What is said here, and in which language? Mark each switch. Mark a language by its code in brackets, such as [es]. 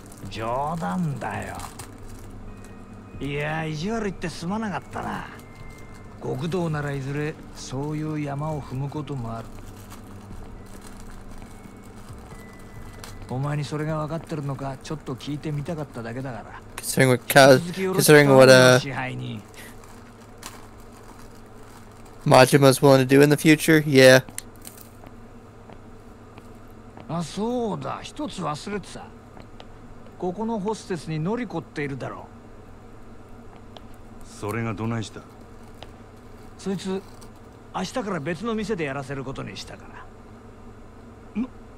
[ja] 冗談だよ。いや、意地悪言ってすまなかったな。極道ならいずれそういう山を踏むこともある。お前にそれが分かってるのかちょっと聞いてみたかっただけだから。 [en] Considering what Majima's willing to do in the future, yeah. [ja] あ、そうだ、一つ忘れてた。ここのホステスにノリコっているだろう。それがどないした。そいつ明日から別の店でやらせることにしたから。